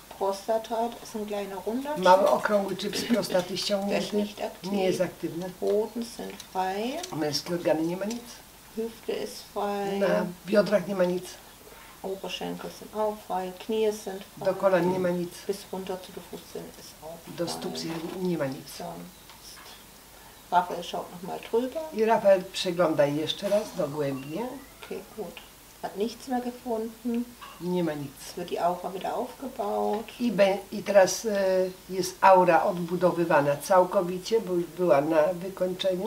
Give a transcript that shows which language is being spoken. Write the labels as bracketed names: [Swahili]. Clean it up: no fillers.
[German] Prostata ist ein kleiner runder Chip. [Polish] Mały okrągły chip z prostaty ściągnięty. Nie jest aktywny. [German] Hoden sind frei. [Polish] Męskie organy nie ma nic. [German] Hüfte ist frei. [Polish] Na biodrach nie ma nic. [German] Oberschenkel sind auch frei. Knie sind frei. [Polish] Do kolan nie ma nic. [German] Bis runter zu den Füßen ist auch frei. [Polish] Do stóp nie ma nic. [German] Rafael schaut noch mal drüber. [Polish] I Rafael przegląda jeszcze raz dogłębnie. [German] Okay, gut. Hat nichts mehr gefunden. [Polish] Nie ma nic. [German] Wird die Aura wieder aufgebaut. [Polish] I teraz jest aura odbudowywana całkowicie, bo już była na wykończeniu.